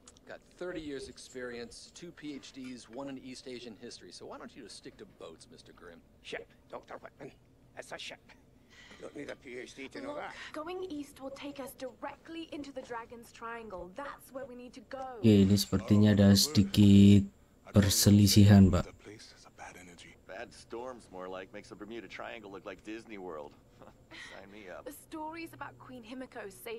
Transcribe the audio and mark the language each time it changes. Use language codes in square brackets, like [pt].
[en] Got 30 years experience, 2 PhDs, 1 in East Asian history. So why don't you just stick to boats, Mr. Grimm? Ship, Dr. Whitman. It's a ship. Don't need a PhD to know Look, that. Going east will take us directly into the Dragon's Triangle. That's where we need to go. [id] Oke, ini sepertinya ada sedikit perselisihan, Pak. [en] Bad, bad storms more like makes the Bermuda Triangle look like Disney World. Sign me up. The stories about Queen Himiko say